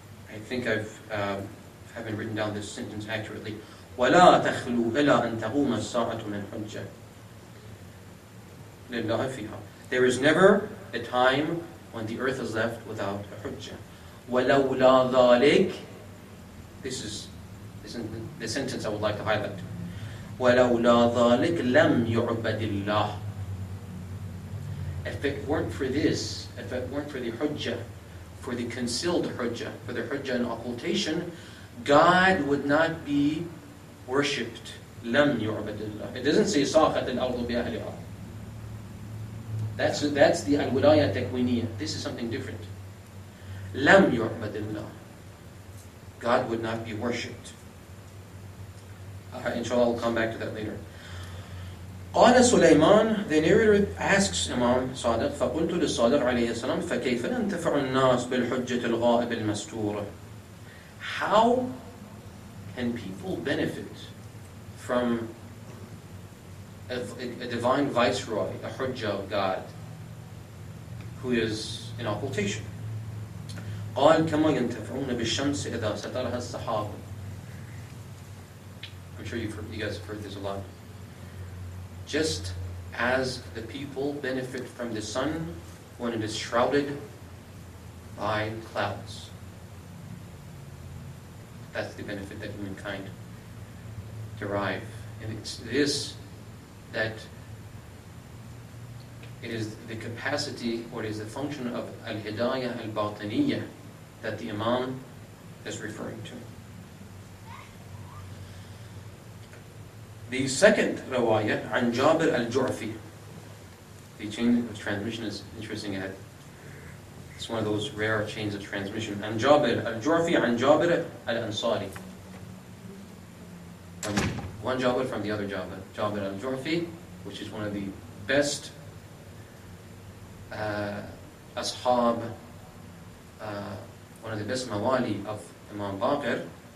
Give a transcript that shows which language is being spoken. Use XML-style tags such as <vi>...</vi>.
<en>I think I haven't written down this sentence accurately.</en> <ar>ولا تخلو إلا أن تقوم الساعة من حجة لله فيها.</ar> <en>There is never a time when the earth is left without a hujjah.</en> <ar>وَلَوْلَا ذَلِكَ</ar> <en>This is the sentence I would like to highlight.</en> <ar>وَلَوْلَا ذَلِكَ لَمْ يُعْبَدِ اللَّهِ</ar> <en>If it weren't for this, if it weren't for the hujjah, for the concealed hujjah, for the hujjah and occultation, God would not be worshipped.</en> <ar>لَمْ يُعْبَدِ اللَّهِ</ar> <en>It doesn't say</en> <ar>صَاخَتِ الْأَرْضُ بِأَهْلِهَا.</ar> <en>That's the al-wilaya takwiniyah. This is something different.</en> <ar>Lam yu'badillah.</ar> <en>God would not be worshipped. Inshallah, I'll come back to that later. Qala Sulaiman, the narrator asks Imam Sadiq,</en> <ar>فَقُلْتُ لِلصَّادِقِ عَلَيْهِ السَّلَامِ فَكَيْفَ لَنْتَفَعُ النَّاسِ بِالْحُجَّةِ الْغَائِبِ الْمَسْتُورِ</ar> <en>How can people benefit from a divine viceroy, a hujjah of God, who is in occultation.</en> <ar>قال كما ينتفعون بالشمس إذا سترها السحاب.</ar> <en>I'm sure you guys have heard this a lot. Just as the people benefit from the sun when it is shrouded by clouds. That's the benefit that humankind derive. And it's this that it is the capacity or it is the function of al-hidayah al-batiniyah that the Imam is referring to. The second riwayah,</en> <ar>عن جابر الجعفي.</ar> <en>The chain of transmission is interesting. It's one of those rare chains of transmission.</en> <ar>عن جابر الجعفي, عن جابر الأنصاري.</ar> <en>One Jabir from the other Jabir. Jabir al-Jurfi, which is one of the best ashab, one of the best mawali of Imam Baqir.</en>